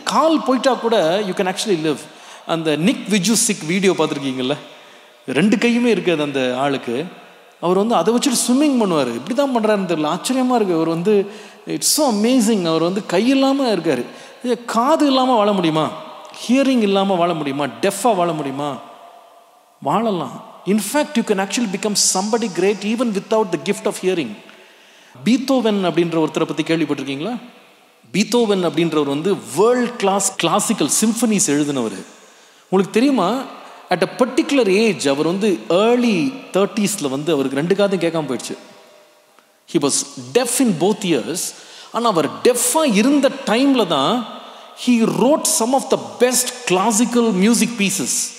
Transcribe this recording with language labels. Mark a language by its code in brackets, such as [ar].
[ta] கால் போயிட்டால் கூட [en] You can actually live. [ta] அந்த நிக் விஜுசிக் வீடியோ பார்த்துருக்கீங்கள, ரெண்டு கையுமே இருக்காது அந்த ஆளுக்கு, அவர் வந்து அதை வச்சுட்டு ஸ்விம்மிங் பண்ணுவார், இப்படி தான் பண்ணுறாருன்னு தெரியல, ஆச்சரியமாக இருக்குது. அவர் வந்து [en] it's so amazing, [ta] அவர் வந்து கை இல்லாமல் இருக்கார். காது இல்லாமல் வாழ முடியுமா, ஹியரிங் இல்லாமல் வாழ முடியுமா, டெஃபாக வாழ முடியுமா, வாழலாம். [en] In fact, you can actually become somebody great even without the gift of hearing. [ta] Beethoven அப்படின்ற ஒருத்தரை பற்றி கேள்விப்பட்டிருக்கீங்களா? Beethoven அப்படின்றவர் வந்து [en] world class classical symphonies [ta] எழுதினவர். உங்களுக்கு தெரியுமா, [en] at a particular age [ta] அவர் வந்து ஏர்லி 30s வந்து அவருக்கு ரெண்டு காதையும் கேட்காமல் போயிடுச்சு. [en] He was deaf in both ears. [ta] ஆனால் அவர் டெஃபாக இருந்த டைமில் தான் [en] He wrote some of the best classical music pieces.